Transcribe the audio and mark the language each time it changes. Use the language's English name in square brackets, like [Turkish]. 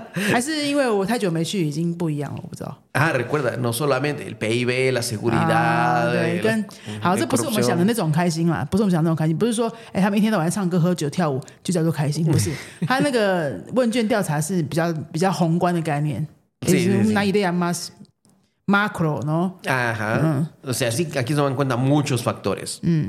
[Chinese] 还是因为我太久没去, 已经不一样了, 我不知道。 [Spanish] Ah, recuerda, no solamente el PIB, la seguridad. [Chinese] Ah, 对,跟, 好, 这不是我们想的那种开心啦, 不是我们想的那种开心, 不是说, 诶, 他们一天到晚唱歌喝酒跳舞, 就叫做开心, 不是。他那个问卷调查是比较宏观的概念。 [Spanish] Sí, es una sí, sí. idea más macro, ¿no? Ajá. O sea, sí, aquí se van en cuenta muchos factores.